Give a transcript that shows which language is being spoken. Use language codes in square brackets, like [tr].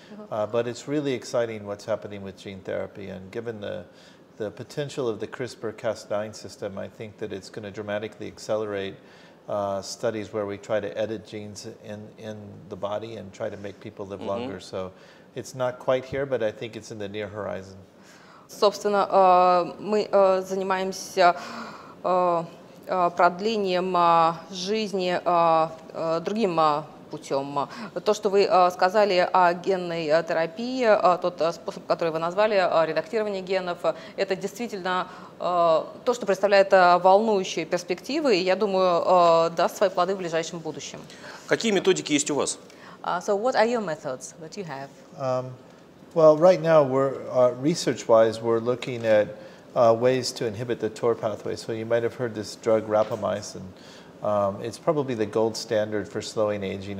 [en] But it's really exciting what's happening with gene therapy, and given the potential of the CRISPR-Cas9 system, I think that it's going to dramatically accelerate studies where we try to edit genes in the body and try to make people live longer. So it's not quite here, but I think it's in the near horizon. [ru] Собственно, мы занимаемся продлением жизни другим путем. То, что вы сказали о генной терапии, тот способ, который вы назвали, редактирование генов, это действительно то, что представляет волнующие перспективы, и я думаю, даст свои плоды в ближайшем будущем. Какие методики есть у вас? [en] So what are your methods that you have? Well, right now, research-wise, we're looking at ways to inhibit the TOR pathway. So you might have heard this drug rapamycin. It's probably the gold standard for slowing aging.